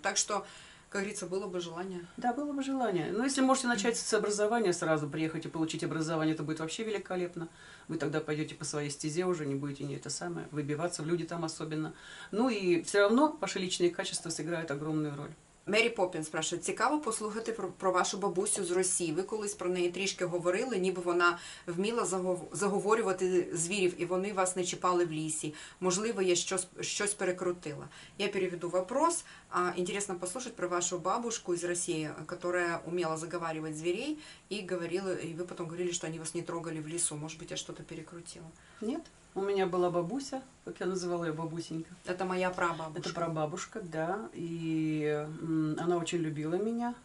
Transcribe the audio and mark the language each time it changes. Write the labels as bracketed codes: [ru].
[ru] Так что, как говорится, было бы желание. Да, было бы желание. Но если можете начать с образования сразу, приехать и получить образование, это будет вообще великолепно. Вы тогда пойдете по своей стезе уже, не будете не это самое, выбиваться в люди там особенно. Ну и все равно ваши личные качества сыграют огромную роль. [uk] Мері Поппін спрашивает, цікаво послухати про вашу бабусю з Росії. Ви колись про неї трішки говорили, ніби вона вміла заговорювати звірів, і вони вас не чіпали в лісі. Можливо, я щось перекрутила. [ru] Я переведу вопрос. Интересно послушать про вашу бабушку из России, которая умела заговаривать зверей, и вы потом говорили, что они вас не трогали в лесу. Может быть, я что-то перекрутила. Нет. У меня была бабуся, как я называла ее, бабусенька. Это моя прабабушка. Это прабабушка, да. И она очень любила меня.